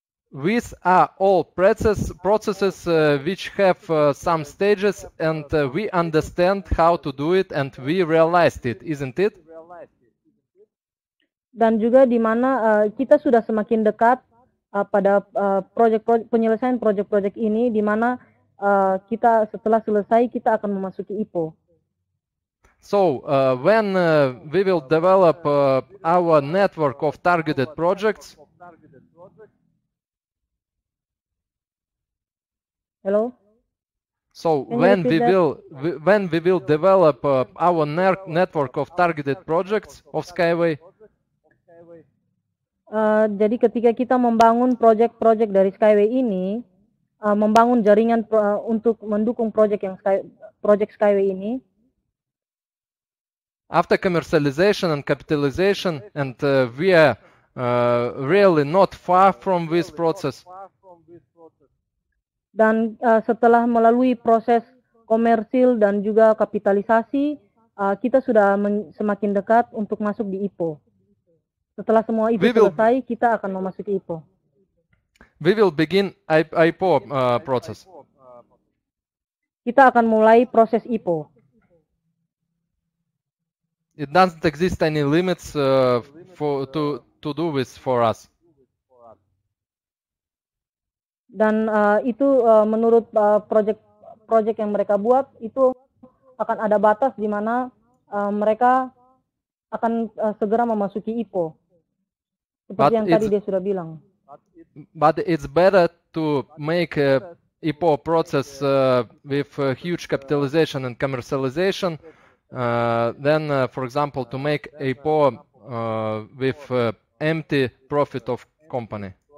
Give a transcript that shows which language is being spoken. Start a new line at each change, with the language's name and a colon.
English: These are all processes which have some stages, and we understand how to do it and we realized it, isn't it?
Indonesian: Dan juga di mana kita sudah semakin dekat pada penyelesaian proyek-proyek ini, di mana kita setelah selesai kita akan memasuki IPO.
English: So when we will develop our network of targeted projects, Hello. So when we will develop our network of targeted projects of Skyway?
Indonesian: Jadi ketika kita membangun project dari Skyway ini, membangun jaringan untuk mendukung project Skyway ini.
English: After commercialization and capitalization, and we are really not far from this process.
Indonesian: Dan setelah melalui proses komersil dan juga kapitalisasi, kita sudah semakin dekat untuk masuk di IPO. Setelah semua itu selesai, kita akan memasuki IPO.
English: We will begin IPO process.
Indonesian: Kita akan mulai proses IPO.
English: It doesn't exist any limits to do this for us.
Indonesian: Dan itu menurut proyek yang mereka buat itu akan ada batas di mana mereka akan segera memasuki IPO. Seperti yang tadi dia sudah bilang.
English: But it's better to make a IPO process with a huge capitalization and commercialization than, for example, to make a IPO with empty profit of company.